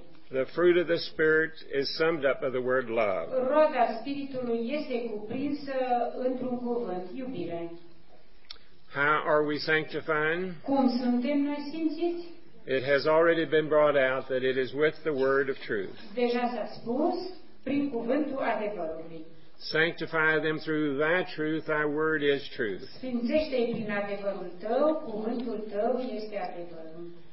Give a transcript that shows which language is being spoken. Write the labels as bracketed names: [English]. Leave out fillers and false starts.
[English] The fruit of the Spirit is summed up by the word love. [Romanian] Roada Spiritului este cuprinsă într-un cuvânt, iubire. [English] How are we sanctifying? [Romanian] Cum suntem noi sfințiți? [English] It has already been brought out that it is with the word of truth. [Romanian] Deja s-a spus prin cuvântul adevărului. [English] Sanctify them through thy truth, thy word is truth. [Romanian] Sfințește-i prin adevărul tău, cuvântul tău este adevărul.